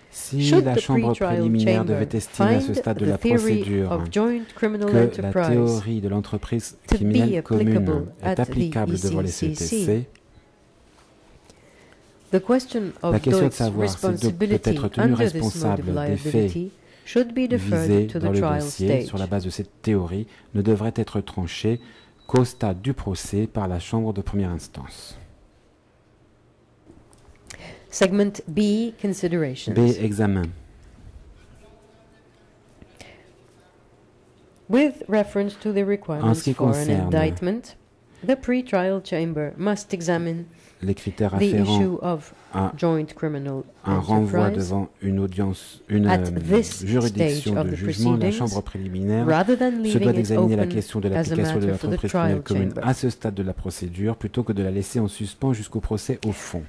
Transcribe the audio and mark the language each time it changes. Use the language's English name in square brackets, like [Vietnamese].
[French] si la chambre préliminaire devait estimer à ce stade de la procédure que la théorie de l'entreprise criminelle commune est applicable devant les CTC, la question de savoir si Doit peut être tenu responsable des faits visés dans le dossier sur la base de cette théorie ne devrait être tranchée qu'au stade du procès par la chambre de première instance. [English] Segment B, considerations. [French] B, examen. [English] With reference to the requirements for an indictment, the pre-trial chamber must examine [French] les critères afférents à [English] joint criminal [French] un renvoi devant une audience, une juridiction de jugement, la chambre préliminaire se doit d'examiner la question de l'application de l'entreprise criminelle commune à ce stade de la procédure plutôt que de la laisser en suspens jusqu'au procès au fond.